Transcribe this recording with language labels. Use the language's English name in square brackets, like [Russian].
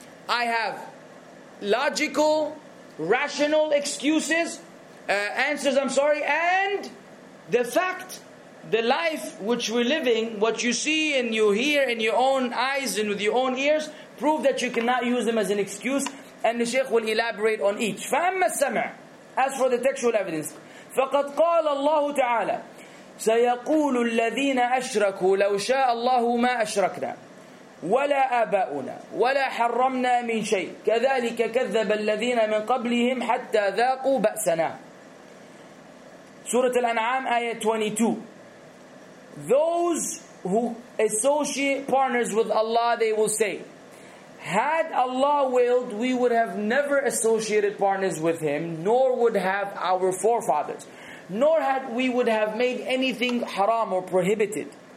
[English] I have logical, rational excuses, answers, I'm sorry, and the fact, the life which we're living, what you see and you hear in your own eyes and with your own ears, prove that you cannot use them as an excuse, and the Shaykh will elaborate on each. [Arabic] فَأَمَّا السَّمَعَ, [English] as for the textual evidence, [Arabic] فَقَدْ قَالَ اللَّهُ تَعَالَى سَيَقُولُ الَّذِينَ أَشْرَكُوا لَوْ شَاءَ اللَّهُ مَا أَشْرَكْنَا ولا آباؤنا ولا حرمنا من شيء كذلك كذب الذين من قبلهم حتى ذاقوا بأسنا. سورة الأنعام آيه 22. [English] Those who associate partners with Allah, they will say, had Allah willed, we would have never associated partners with Him, nor would have our forefathers, nor had we would have made anything haram or prohibited.